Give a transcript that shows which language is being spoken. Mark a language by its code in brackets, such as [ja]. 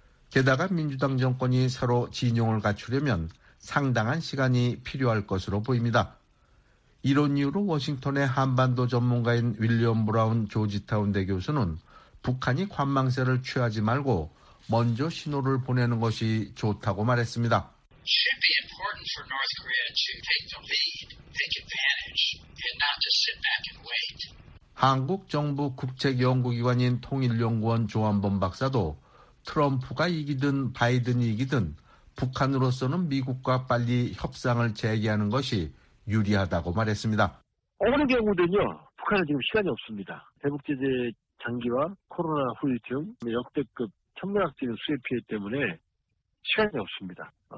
[ko] 게다가 민주당 정권이 새로 진영을 갖추려면 상당한 시간이 필요할 것으로 보입니다. 이런 이유로 워싱턴의 한반도 전문가인 윌리엄 브라운 조지타운 대 교수는 북한이 관망세를 취하지 말고 먼저 신호를 보내는 것이 좋다고 말했습니다. [en] Should be important for North Korea to take the lead, take advantage, and not to sit back and wait. [ko] 한국 정부 국책연구기관인 통일연구원 조한범 박사도 트럼프가 이기든 바이든이 이기든 북한으로서는 미국과 빨리 협상을 재개하는 것이 유리하다고 말했습니다. 어느 경우든요, 북한은 지금 시간이 없습니다. 대북제재 장기화, 코로나 후유증, 역대급 천문학적인 수해 피해 때문에 시간이 없습니다.